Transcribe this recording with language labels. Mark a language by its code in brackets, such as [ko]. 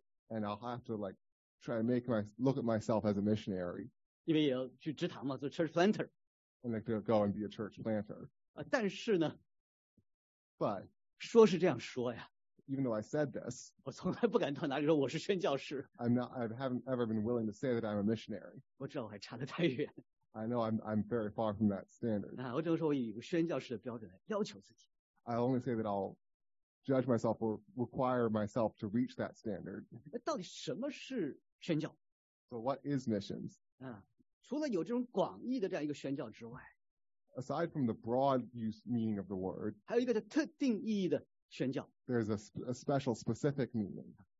[en] and I'll have to like try to make look at myself as a missionary. [zh] 因为也要去职堂嘛, 做 church planter. [en] And like to go and be a church planter. [zh] 啊, 但是呢, [en] but [zh] 说是这样说呀, [en] even though I said this, [zh] 我从来不敢到哪里说我是宣教士, [en] I haven't ever been willing to say that I'm a missionary. [zh] 我知道我还差得太远, [en] I know I'm very far from that standard. [zh] 啊, 我只能说我以宣教士的标准来要求自己, [en] I only say that I'll judge myself or require myself to reach that standard. [zh] 到底什么是宣教? [en] So what is missions? [zh] 啊, 除了有这种广义的这样一个宣教之外, [en] aside from the broad use meaning of the word, [zh] 还有一个特定意义的, [en] there's a special specific meaning.